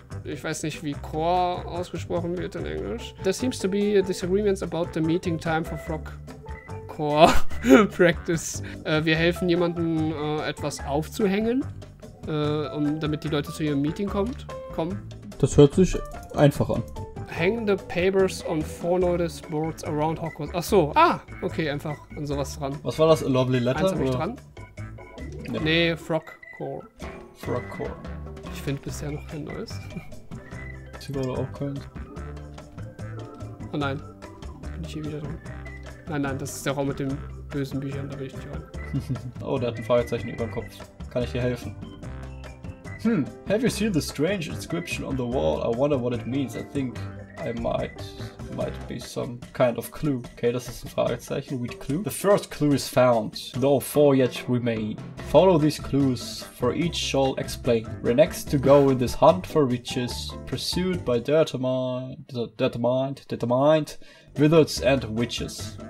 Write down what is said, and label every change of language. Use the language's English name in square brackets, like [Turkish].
[German] Ich weiß nicht, wie Chor ausgesprochen wird in Englisch. [English] There seems to be disagreements about the meeting time for Frog Chor Practice. [German] Wir helfen jemandem etwas aufzuhängen, um damit die Leute zu ihrem Meeting kommen. Das hört sich einfach an. [English] Hang the papers on four notice boards around Hogwarts. [German] Ach so, okay, einfach an sowas dran. Was war das? [English] A lovely letter? [German] Eins hab ich dran. Nee, Frog Core. Frog Core. Ich finde bisher noch kein neues. Ich sehe gerade auch keins. Oh nein. Bin ich hier wieder drin? Nein, nein, das ist der Raum mit den bösen Büchern, da will ich nicht rein. Oh, der hat ein Fragezeichen über dem Kopf. Kann ich dir helfen? [English] Have you seen the strange inscription on the wall? I wonder what it means. I think I might be some kind of clue. [German] Okay, das ist ein Fragezeichen. [English] Which clue? The first clue is found, though four yet remain. Follow these clues, for each shall explain. Renex to go in this hunt for riches, pursued by determined, wizards and witches.